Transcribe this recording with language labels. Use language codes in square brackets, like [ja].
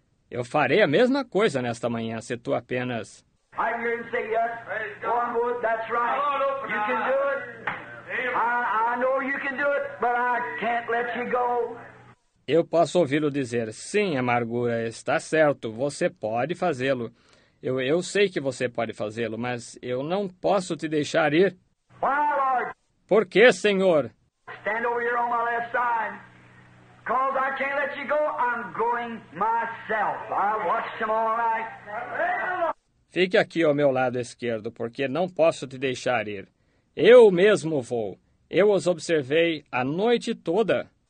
[pt] Eu farei a mesma coisa nesta manhã, se tu apenas... [en] I'm here and say yes. One word, that's right. You can do it. I know you can do it, but I can't let you go. [pt] Eu posso ouvi-lo dizer, sim, amargura, está certo, você pode fazê-lo. Eu sei que você pode fazê-lo, mas eu não posso te deixar ir. [en] Why, Lord? [pt] Por que, Senhor? [en] Stand over here on my left side. Because I can't let you go, I'm going myself. I'll watch them all night. [pt] Fique aqui ao meu lado esquerdo, porque não posso te deixar ir. Eu mesmo vou. Eu os observei a noite toda.